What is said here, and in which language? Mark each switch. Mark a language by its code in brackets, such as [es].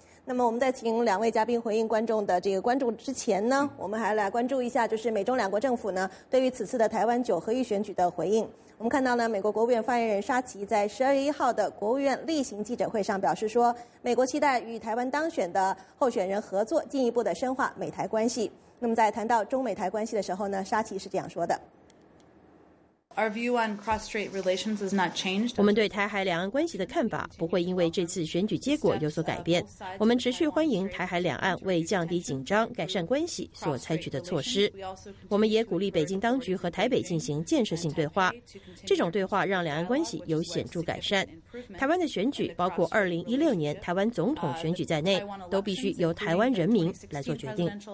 [zh] 那么我们在请两位嘉宾回应观众的这个关注之前呢，我们还来关注一下，就是美中两国政府呢对于此次的台湾九合一选举的回应。我们看到呢，美国国务院发言人沙奇在12月1号的国务院例行记者会上表示说，美国期待与台湾当选的候选人合作，进一步的深化美台关系。那么在谈到中美台关系的时候呢，沙奇是这样说的。 [en] Our view on cross-strait relations is not changed. [zh] 我们对台海两岸关系的看法不会因为这次选举结果有所改变。我们持续欢迎台海两岸为降低紧张、改善关系所采取的措施。我们也鼓励北京当局和台北进行建设性对话。这种对话让两岸关系有显著改善。台湾的选举，包括2016年台湾总统选举在内，都必须由台湾人民来做决定。